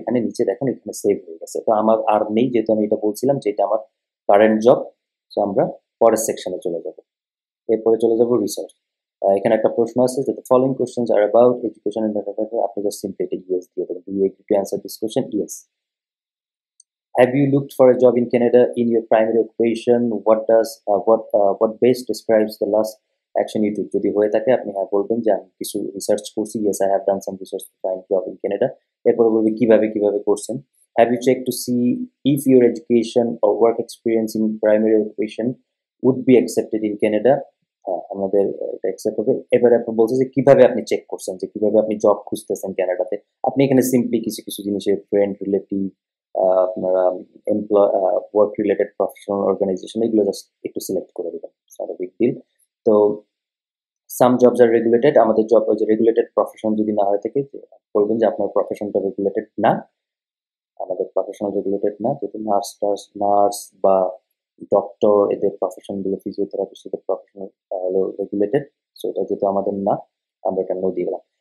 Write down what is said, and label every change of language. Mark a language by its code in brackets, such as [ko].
[bn] এখানে নিচে দেখেন এখানে সেভ হয়ে গেছে, তো আমার আর নেই যেহেতু আমি এটা বলছিলাম যে এটা আমার কারেন্ট জব, তো আমরা পরের সেকশনে চলে যাব। এরপরে চলে যাব রিসার্চ, এখানে একটা প্রশ্ন আছে যে [en] the following question are about education, [bn] আপনি জাস্ট সিম্পলি এটা ইয়েস দিয়ে দেবেন, [en] do you agree to answer this question, [bn] yes. [en] Have you looked for a job in Canada in your primary occupation? What does what best describes the last action you took? [bn] যদি হয়ে থাকে আপনি হ্যাঁ বলবেন যে আমি কিছু রিসার্চ করছি, [en] Yes I have done some research to find job in Canada. [bn] এরপরে বলবে কিভাবে কিভাবে করছেন। [en] Have you checked to see if your education or work experience in primary occupation would be accepted in Canada? [bn] আমাদের এটা accept হবে। এবারে আপনি বলছে যে কিভাবে আপনি চেক করছেন, যে কিভাবে আপনি জব খুঁজতেছেন ক্যানাডাতে। আপনি এখানে সিম্পলি কিছু কিছু জিনিসের ফ্রেন্ড রিলেটিভ আপনারা employ work related professional organisation এগুলো জাস্ট একটু সিলেক্ট করে দেবেন, সারা বিগ ডিল। তো [en] some jobs are regulated, [bn] আমাদের জব ওই যে রেগুলেটেড প্রফেশন যদি না হয়ে থাকে বলবেন যে আপনার প্রফেশনটা রেগুলেটেড না, আমাদের প্রফেশনাল রেগুলেটেড না, যেহেতু নার্স টার্স নার্স বা ডক্টর এদের প্রফেশনগুলো ফিজিওথেরাপিস্ট এদের প্রফেশনাল রেগুলেটেড, সো এটা যেহেতু আমাদের না আমরা এটা নো দিয়ে গেলাম।